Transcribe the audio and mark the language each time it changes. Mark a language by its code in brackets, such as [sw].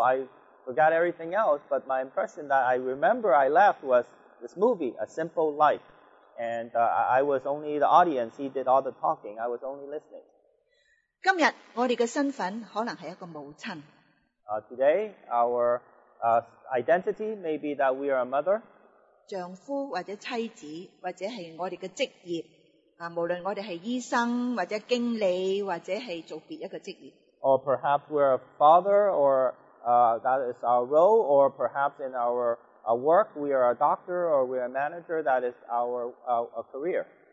[en] I forgot everything else, but my impression that I remember I left was this movie, A Simple Life, and I was only the audience. He did all the talking. I was only listening. [yue] 今日我哋嘅身份可能係一個母親。 [en] Today, our identity may be that we are a mother. [yue] 丈夫或者妻子或者係我哋嘅職業，無論我哋係醫生或者經理或者係做別一個職業。 [en] Or perhaps we are a father, or that is our role, or perhaps in our work we are a doctor or we are a manager, that is our a career.